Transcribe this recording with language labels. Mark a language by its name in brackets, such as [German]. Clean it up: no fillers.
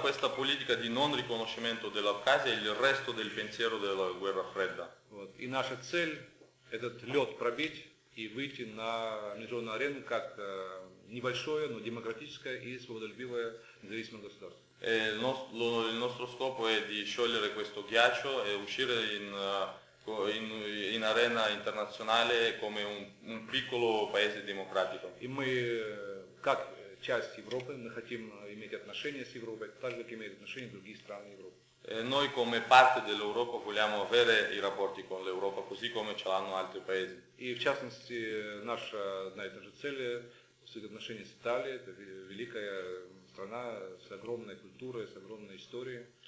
[Italian] Questa politica di non riconoscimento dell'Abkhazia è il resto del pensiero della guerra fredda. [Russian] Вот. И наша цель этот лед пробить и выйти на международную арену как небольшое, но демократическое и свободолюбивое независимое государство. [Italian] Il nostro scopo è di sciogliere questo ghiaccio e uscire in arena internazionale come un piccolo paese democratico. [Russian] И мы как часть Европы, мы хотим иметь отношения с Европой, так же как имеют отношения другие страны Европы. [Italian] Noi come parte dell'Europa vogliamo avere i rapporti con l'Europa così come ce l'hanno altri paesi. [Russian] И в частности наша одна из наших целей отношения с Италией, это великая страна с огромной культурой, с огромной историей.